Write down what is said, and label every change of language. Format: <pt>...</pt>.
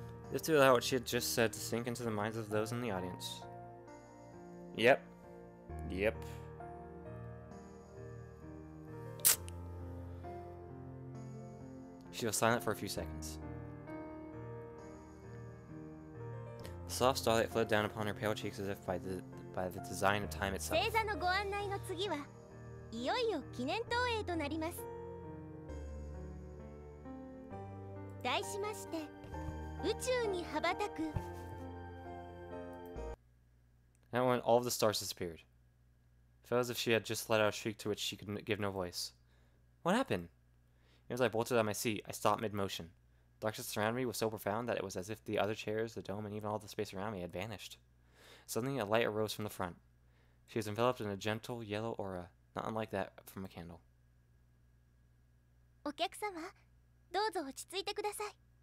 <en>This to allow what she had just said to sink into the minds of those in the audience. Yep. Yep. She was silent for a few seconds. The soft starlight flowed down upon her pale cheeks as if by the design of time itself.</en> <ja>星座のご案内の次は、 いよいよ記念投影となります。題しまして、 宇宙に羽ばたく。</ja> <en>And when all of the stars disappeared, it felt as if she had just let out a shriek to which she could give no voice. What happened? Even as I bolted out of my seat, I stopped mid-motion. The darkness surrounding me was so profound that it was as if the other chairs, the dome, and even all the space around me had vanished. Suddenly, a light arose from the front. She was enveloped in a gentle yellow aura, not unlike that from a candle.</en> <ja>お客様、どうぞ落ち着いてください。</ja>